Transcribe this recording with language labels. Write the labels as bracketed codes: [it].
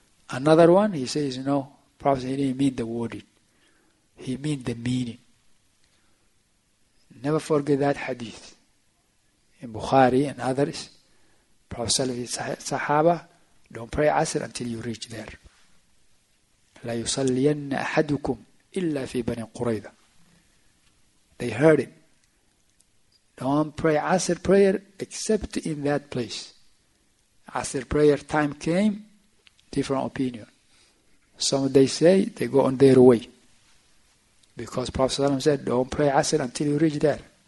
[en] Another one, he says, no, Prophet, he didn't mean the wording. He mean the meaning. Never forget that hadith. In Bukhari and others, Prophet ﷺ and Sahaba, don't pray Asr until you reach there. [ar] لا يصلين أحدكم إلا في بني قريظة. [en] They heard it. Don't pray Asr prayer except in that place. Asr prayer time came, different opinion. Some they say they go on their way. Because Prophet ﷺ said, don't pray Asr until you reach there.